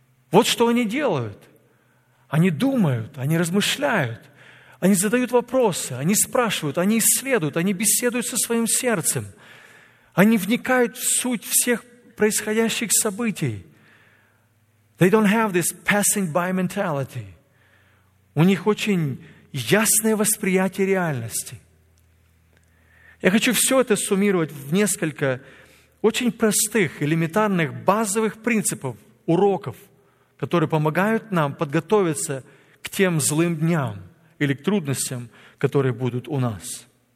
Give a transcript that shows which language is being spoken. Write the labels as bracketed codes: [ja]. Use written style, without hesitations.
[ru] Вот что они делают. Они думают, они размышляют, они задают вопросы, они спрашивают, они исследуют, они беседуют со своим сердцем. Они вникают в суть всех происходящих событий. [en] They don't have this passing by mentality. [ru] У них очень ясное восприятие реальности. Я хочу все это суммировать в несколько очень простых, элементарных, базовых принципов, уроков, которые помогают нам подготовиться к тем злым дням или к трудностям, которые будут у нас.